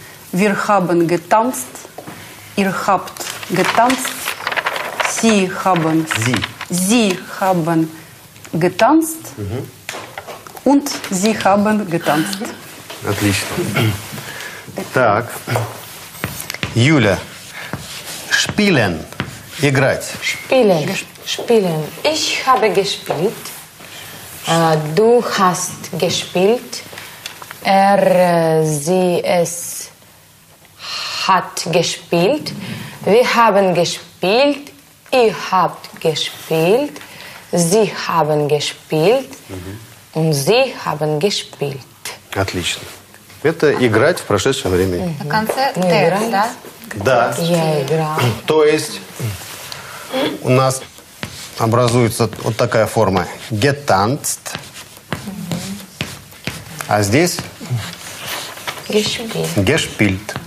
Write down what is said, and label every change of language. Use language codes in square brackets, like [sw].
[de] Wir haben getanzt, ihr habt getanzt, sie haben, sie haben getanzt, mm-hmm. und sie haben getanzt. [ru] Отлично. Так, Юля, spielen, играть. [de] Spielen, spielen. Ich habe gespielt, du hast gespielt, sie, es. Hat gespielt, wir haben gespielt, ihr habt gespielt, sie haben gespielt, mhm. und sie haben gespielt. [ru] Отлично. Это играть в прошедшем времени. На конце «тэрс», да? Да. Я играл. То есть у нас образуется вот такая форма «getanzt», а здесь «gespielt».